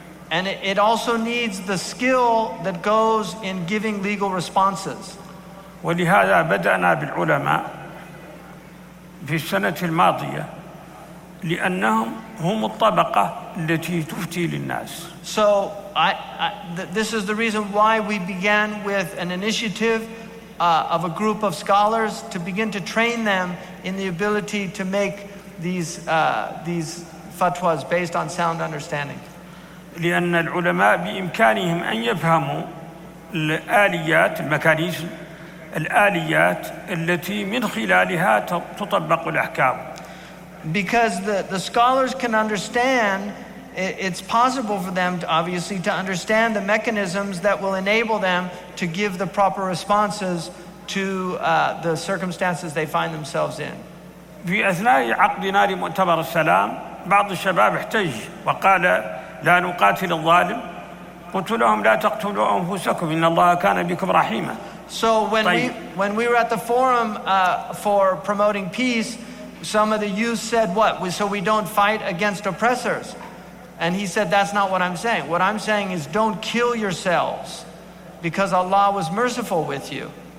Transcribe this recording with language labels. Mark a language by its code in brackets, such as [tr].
[en] And it also needs the skill that goes in giving legal responses. [ar] ولهذا بدأنا بالعلماء في السنة الماضية لأنهم هم الطبقة التي تفتي للناس. [en] So this is the reason why we began with an initiative of a group of scholars to begin to train them in the ability to make these fatwas based on sound understanding. [ar] لأن العلماء بإمكانهم أن يفهموا الآليات الميكانيزم الآليات التي من خلالها تطبق الأحكام. [en] Because the scholars can understand, it's possible for them to obviously to understand the mechanisms that will enable them to give the proper responses to the circumstances they find themselves in. [ar] في أثناء عقدنا لمؤتمر السلام بعض الشباب احتج وقال لا نقاتل الظالم قلت لهم لا تقتلوا أنفسكم إن الله كان بكم رحيما. [en] So when we were at the forum for promoting peace, some of the youth said, what? So we don't fight against oppressors. And he said, that's not what I'm saying. What I'm saying is don't kill yourselves because Allah was merciful with you.